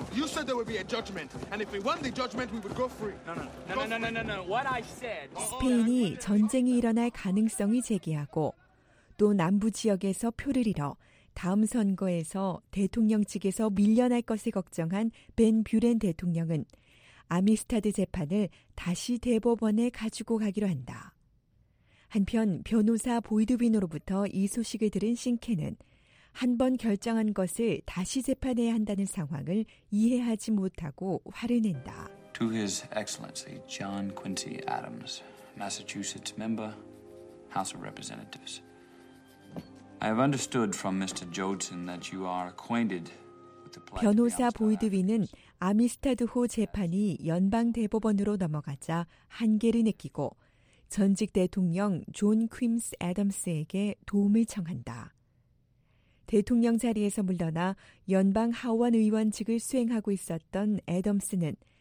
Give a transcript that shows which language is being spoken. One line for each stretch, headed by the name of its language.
English: You said there would be a judgment, and if we won the judgment, we would go free. No. What I said.
Korean: 스페인이 전쟁이 일어날 가능성이 제기하고 또 남부 지역에서 표를 잃어 다음 선거에서 대통령 측에서 밀려날 것을 걱정한 벤 뷰렌 대통령은 아미스타드 재판을 다시 대법원에 가지고 가기로 한다. 한편 변호사 보이드윈으로부터 이 소식을 들은 싱케는 한 번 결정한 것을 다시 재판해야 한다는 상황을 이해하지 못하고 화를 낸다.
English: To His Excellency John Quincy Adams, Massachusetts Member, House of Representatives. I have understood from Mr. Jodson that you are acquainted with the plight of the outside.
Korean: 변호사 보이드윈은 아미스타드호 재판이 연방 대법원으로 넘어가자 한계를 느끼고 전직 대통령 존 퀸시 애덤스에게 도움을 청한다. 대통령 자리에서 물러나 연방 하원 의원직을 수행하고 있었던 애덤스는